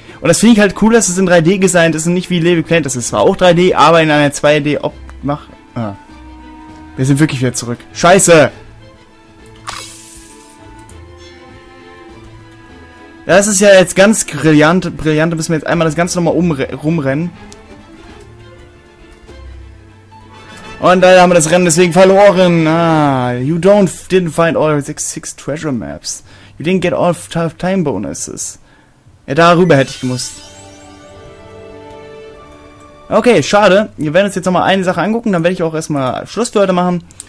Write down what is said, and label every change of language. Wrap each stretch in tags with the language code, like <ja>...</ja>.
<de>Und das finde ich halt cool, dass es in 3D designt ist und nicht wie Level Plant. Das ist zwar auch 3D, aber in einer 2D Optik. Ah. Wir sind wirklich wieder zurück. Scheiße! Das ist ja jetzt ganz brillant. Brillant, da müssen wir jetzt einmal das Ganze nochmal rumrennen. Und leider haben wir das Rennen deswegen verloren.</de> <en>Ah, you didn't find all 6 treasure maps. You didn't get all tough time bonuses.</en> <de>Ja, darüber hätte ich gemusst. Okay, schade. Wir werden uns jetzt nochmal eine Sache angucken. Dann werde ich auch erstmal Schluss für heute machen.</de>